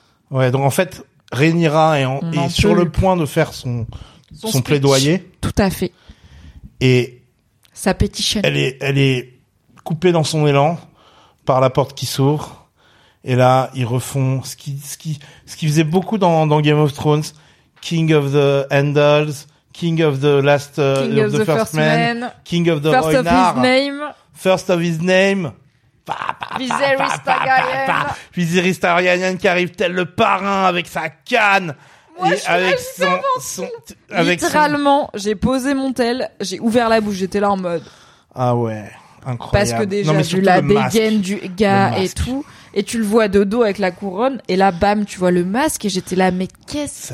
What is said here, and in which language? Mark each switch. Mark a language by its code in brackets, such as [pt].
[fr] Ouais, donc en fait, Rhaenyra est sur le point de faire son plaidoyer. Tout à fait. Et... Sa pétition. Elle est coupée dans son élan par la porte qui s'ouvre. Et là, ils refont ce qui faisait beaucoup dans Game of Thrones, [en] King of the Andals, King of the Last, King of the First Man, King of the First of his name. Viserys Targaryen. [fr] Viserys Targaryen qui arrive tel le parrain avec sa canne. Moi, et je suis avec son, littéralement, j'ai posé mon tel, j'ai ouvert la bouche, j'étais là en mode. Ah ouais, incroyable. Parce que déjà, vu la dégaine du gars et tout, et tu le vois de dos avec la couronne, et là, bam, tu vois le masque, et j'étais là, mais qu'est-ce?